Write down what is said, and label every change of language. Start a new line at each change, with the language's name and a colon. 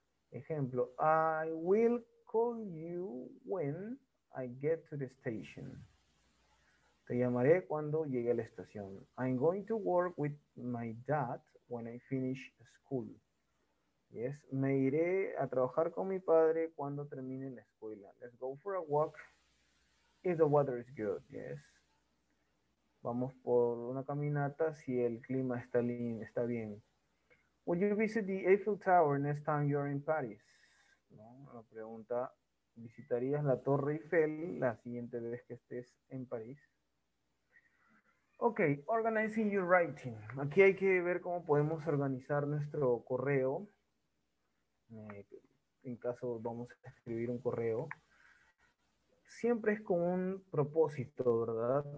English: Ejemplo, I will call you when I get to the station.
Spanish: Te llamaré cuando llegue a la estación.
English: I'm going to work with my dad when I finish school.
Spanish: Yes, me iré a trabajar con mi padre cuando termine la escuela.
English: Let's go for a walk if the weather is good. Yes.
Spanish: Vamos por una caminata si el clima está bien.
English: Will you visit the Eiffel Tower next time you're in Paris?
Spanish: ¿No? La pregunta, ¿visitarías la Torre Eiffel la siguiente vez que estés en París?
English: Ok, organizing your writing.
Spanish: Aquí hay que ver cómo podemos organizar nuestro correo. En caso vamos a escribir un correo. Siempre es con un propósito, ¿verdad?